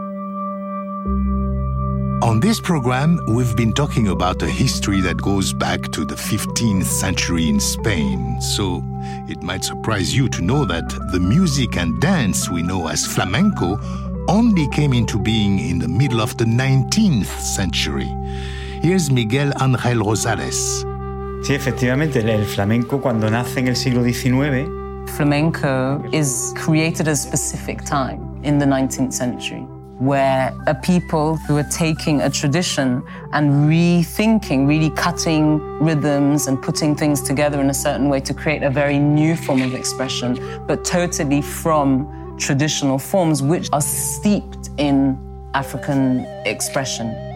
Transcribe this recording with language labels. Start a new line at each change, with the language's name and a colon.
English: In this program, we've been talking about a history that goes back to the 15th century in Spain. So it might surprise you to know that the music and dance we know as flamenco only came into being in the middle of the 19th century. Here's Miguel Ángel Rosales.
Spanish: Sí, efectivamente, el flamenco cuando nace en el siglo XIX.
English: Flamenco is created at a specific time in the 19th century, where a people who are taking a tradition and rethinking, really cutting rhythms and putting things together in a certain way to create a very new form of expression, but totally from traditional forms which are steeped in African expression.